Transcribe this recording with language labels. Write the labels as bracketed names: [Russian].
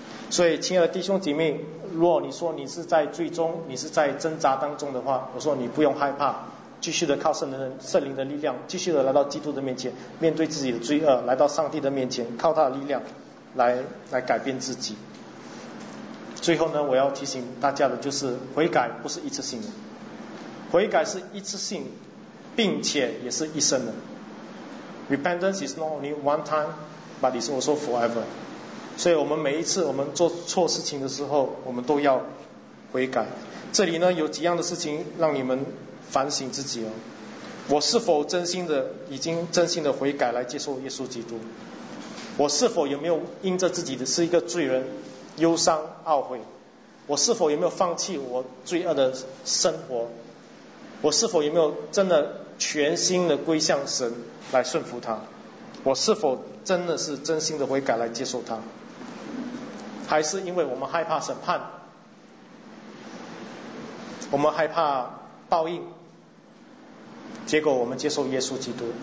[Chinese] 所以亲爱的弟兄姐妹，若你说你是在最终你是在挣扎当中的话，我说你不用害怕，继续的靠圣灵的力量，继续的来到基督的面前，面对自己的罪恶，来到上帝的面前，靠他的力量来改变自己。最后呢，我要提醒大家的就是，悔改不是一次性的，悔改是一次性并且也是一生的。 [English] Repentance is not only one time but it's also forever。 [Chinese] 所以我们每一次我们做错事情的时候，我们都要悔改。这里呢有几样的事情让你们反省自己哦，我是否真心的已经真心的悔改来接受耶稣基督，我是否有没有因着自己的是一个罪人忧伤懊悔，我是否有没有放弃我罪恶的生活，我是否有没有真的全心的归向神来顺服他，我是否真的是真心的悔改来接受他，还是因为我们害怕审判，我们害怕报应，结果我们接受耶稣基督。